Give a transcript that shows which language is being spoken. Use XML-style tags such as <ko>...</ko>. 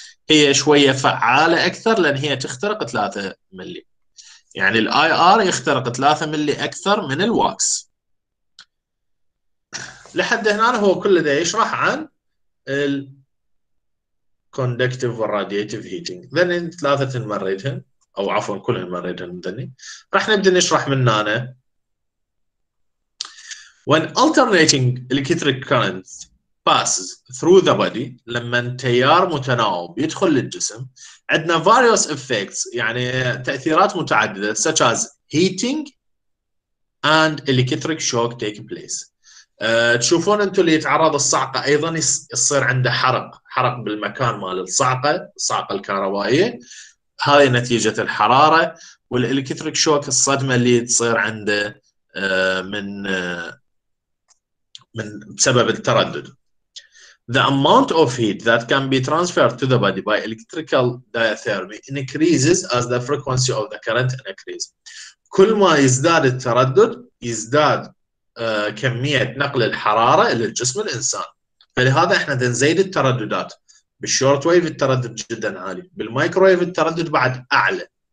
<ar>هي شويه فعاله اكثر لان هي تخترق 3 ملي، يعني الاي ار يخترق 3 ملي اكثر من الواكس. لحد هنا هو كل ده يشرح عن ال</ar> <en>conductive and radiative heating.</en> <ar>ذنين ثلاثة نمردهن، أو عفواً كل نمردهن ذنين. راح نبدأ نشرح من هنا.</ar> <en>When alternating electric currents passes through the body،</en> <ar>لما تيار متناوب يدخل للجسم، عندنا</ar> <en>various effects،</en> <ar>يعني تأثيرات متعددة</ar> <en>such as heating and electric shock take place.</en> <ar>تشوفون انتم اللي يتعرض الصعقه ايضا يصير عنده حرق، حرق بالمكان مال الصعقه، الصعقه الكهربائيه، هذه نتيجه الحراره. والالكتريك شوك الصدمه اللي تصير عنده من بسبب التردد.</ar> <en>The amount of heat that can be transferred to the body by electrical diathermy increases as the frequency of the current increases.</en> <ar>كل ما يزداد التردد يزداد كمية نقل الحرارة للجسم الإنسان، فلهذا إحنا نزيد الترددات. بالشورت ويف التردد جدا عالي، بالمايكرويف التردد بعد أعلى.</ar>